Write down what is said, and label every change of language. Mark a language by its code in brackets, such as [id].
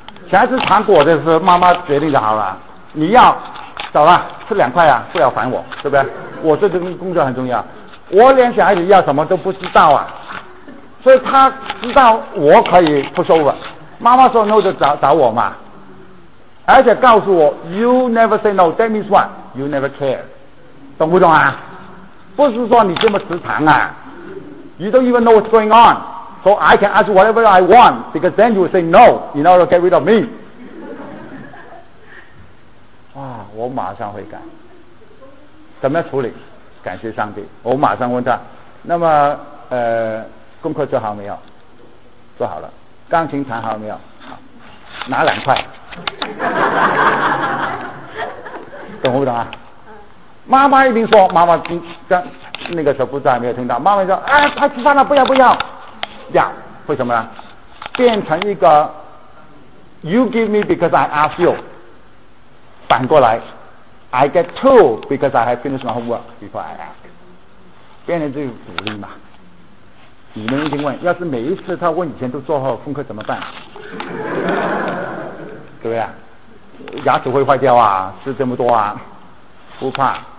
[zh] 小孩子糖果的时候，妈妈决定就好了。你要，走了，吃两块啊，不要烦我，对不对？我这份工作很重要，我连小孩子要什么都不知道啊。所以他知道我可以不收了，妈妈说 no 就找我嘛，而且告诉我 [en] you never say no， that means what？ you never care， [zh] 懂不懂啊？ 不是说你这么直肠啊， [en] you don't even know what's going on， so I can ask whatever I want， because then you will say no in order to get rid of me。 [zh] 哇，我马上会改。怎么处理？感谢上帝，我马上问他，那么功课做好没有？做好了。钢琴弹好没有？好，拿两块。懂不懂啊？妈妈一定说，妈妈刚那个时候不在，没有听到。妈妈说：“哎，快吃饭了，不要不要。” 要，为什么呢？变成一个 [en] ，You give me because I ask you。 [zh] 反过来 [en] ，I get two because I have finished my homework before I ask。 [zh] 变成这个鼓励嘛。你们一定问，要是每一次他问以前都做好功课怎么办？对不对啊？牙齿会坏掉啊，吃这么多啊，不怕。